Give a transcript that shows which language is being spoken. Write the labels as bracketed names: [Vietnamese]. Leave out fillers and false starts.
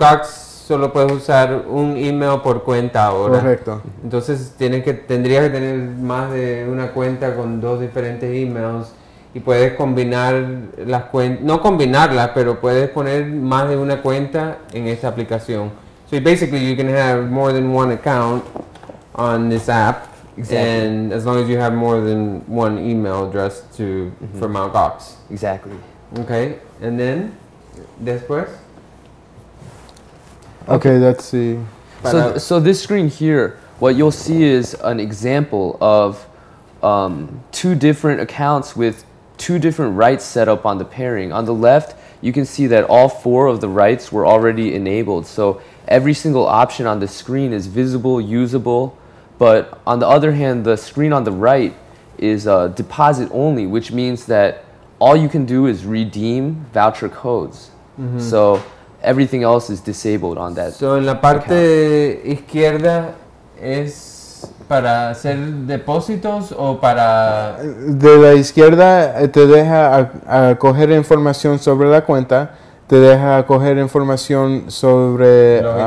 [Spanish] Gox solo puedes usar un email por cuenta ahora. Correcto. Entonces tendrías que tener más de una cuenta con dos diferentes emails y puedes combinar las cuentas, no combinarlas, pero puedes poner más de una cuenta en esa aplicación. [English] So basically, you can have more than one account on this app, exactly. And as long as you have more than one email address to mm-hmm. for Mt. Gox. Exactly. Okay, and then, después. Okay, let's see. So this screen here, what you'll see is an example of two different accounts with two different writes set up on the pairing. On the left, you can see that all four of the writes were already enabled. So every single option on the screen is visible, usable. But on the other hand, the screen on the right is deposit only, which means that all you can do is redeem voucher codes. Mm-hmm. So everything else is disabled on that. [Spanish] So en la parte izquierda es para hacer depósitos o para... De la izquierda te deja a coger información sobre la cuenta, te deja coger información sobre...